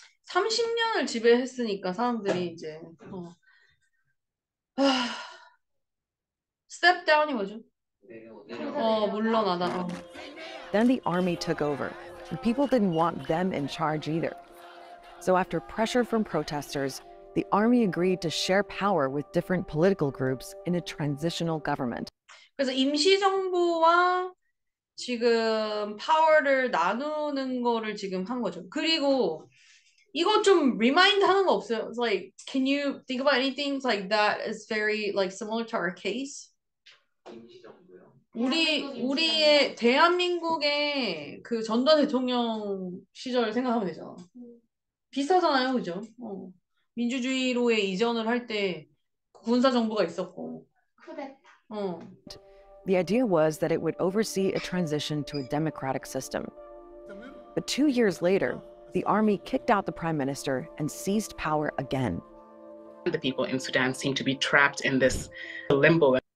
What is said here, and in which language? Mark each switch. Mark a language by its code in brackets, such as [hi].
[ko] 30년을 지배했으니까 사람들이 이제 step down이 뭐죠? 물러나다가. [en] Then the army took over, and people didn't want them in charge either. So after pressure from protesters, the army agreed to share power with different political groups in a transitional government. [ko] 그래서 임시정부와 지금 파워를 나누는 거를 지금 한 거죠. 그리고 이거 좀 remind 하는 거 없어요? [en] It's like, can you think about anything like that is very like similar to our case? [ko] 임시정부요? 우리의 대한민국의 그 전두환 대통령 시절을 생각하면 되잖아. 비슷하잖아요, 그죠? 민주주의로의 이전을 할 때 군사정부가 있었고. 쿠데타. [en] The idea was that it would oversee a transition to a democratic system. But 2 years later, the army kicked out the prime minister and seized power again. The people in Sudan seem to be trapped in this limbo.